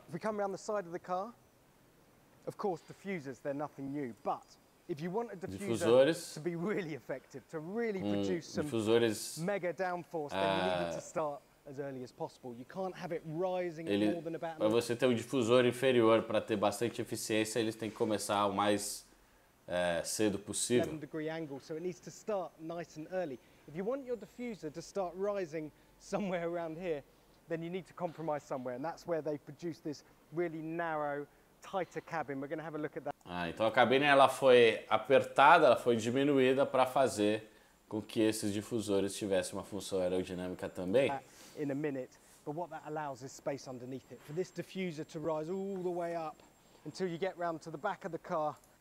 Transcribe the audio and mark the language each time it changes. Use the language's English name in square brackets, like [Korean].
[English] If we come around the side of the car, of course diffusers they're nothing new, but if you want a diffuser to be really effective, to really produce some mega downforce, then you need to start as early as possible. You can't have it rising more than about. [Portuguese] Para você ter um difusor inferior para ter bastante eficiência, eles têm que começar o mais cedo possível. [English] 7 degree angle, so it needs to start nice and early. If you want your diffuser to start rising somewhere around here, then you need to compromise somewhere, and that's where they produce this really narrow, tighter cabin. We're going to have a look at that. [Portuguese] Ah, então a cabine ela foi apertada, ela foi diminuída para fazer com que esses difusores tivessem uma função aerodinâmica também. [English] In a minute, but what that allows is space underneath it for this diffuser to rise all the way up until you get round to the back of the car.